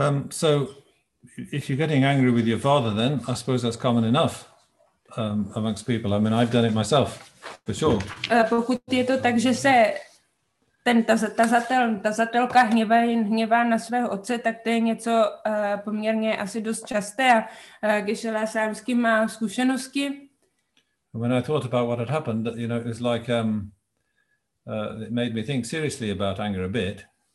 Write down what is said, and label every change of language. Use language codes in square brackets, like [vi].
[en] So, if you're getting angry with your father, then I suppose that's common enough amongst people. I mean, I've done it myself, for sure. [cs] Pokud je to tak, že se ten tazatelka hněvá na svého otce, tak to je něco poměrně asi dost časté a Gešela sám s kým má zkušenosti. [en] When I thought about what had happened, you know, it was like it made me think seriously about anger a bit.